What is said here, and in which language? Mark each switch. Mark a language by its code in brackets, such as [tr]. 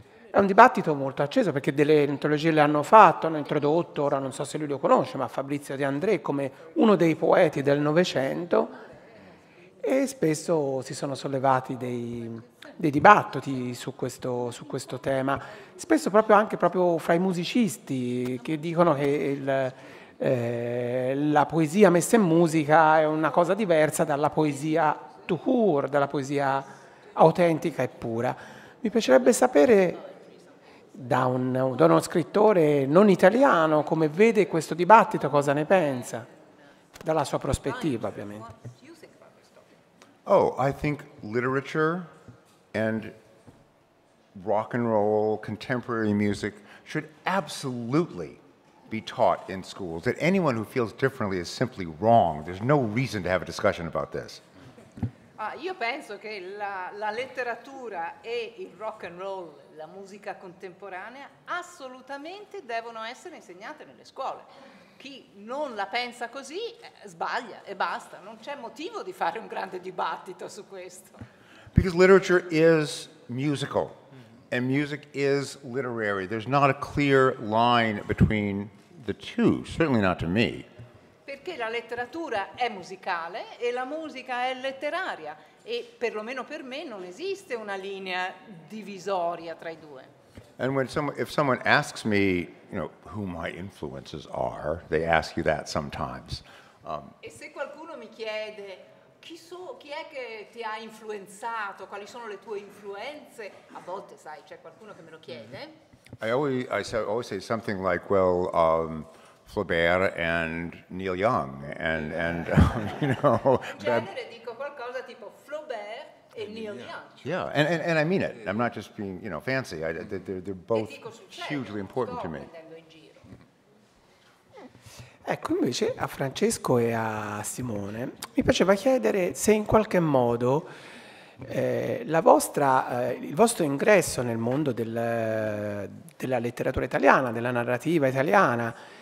[it] È un dibattito molto acceso perché delle antologie le hanno fatto, hanno introdotto, ora non so se lui lo conosce, ma Fabrizio De André come uno dei poeti del Novecento, e spesso si sono sollevati dei dibattiti su questo tema, spesso proprio anche proprio fra i musicisti che dicono che la poesia messa in musica è una cosa diversa dalla poesia tout court, dalla poesia autentica e pura. Mi piacerebbe sapere da uno scrittore non italiano come vede questo dibattito, cosa ne pensa, dalla sua prospettiva ovviamente. [en] Oh, I think literature and rock and roll, contemporary music should absolutely be taught in schools. That anyone who feels differently is simply wrong. There's no reason to have a discussion about this. [it] Io penso che la letteratura e il rock and roll, la musica contemporanea, assolutamente devono essere insegnate nelle scuole. Chi non la pensa così sbaglia e basta, non c'è motivo di fare un grande dibattito su questo. [en] Because literature is musical, and music is literary. There's not a clear line between the two, certainly not to me. [it] Perché la letteratura è musicale e la musica è letteraria, e perlomeno per me non esiste una linea divisoria tra i due. [en] And when if someone asks me, you know, who my influences are, they ask you that sometimes. [it] E se qualcuno mi chiede chi è che ti ha influenzato, quali sono le tue influenze, a volte sai, c'è qualcuno che me lo chiede. [en] I always say something like, well, Flaubert and Neil Young, and you know. [it] In genere dico qualcosa tipo Flaubert. [en] Yeah, and I mean it. I'm not just being, you know, fancy. They're both hugely important to me. [it] Ecco, invece a Francesco e a Simone mi piaceva chiedere se in qualche modo il vostro ingresso nel mondo della letteratura italiana, della narrativa italiana.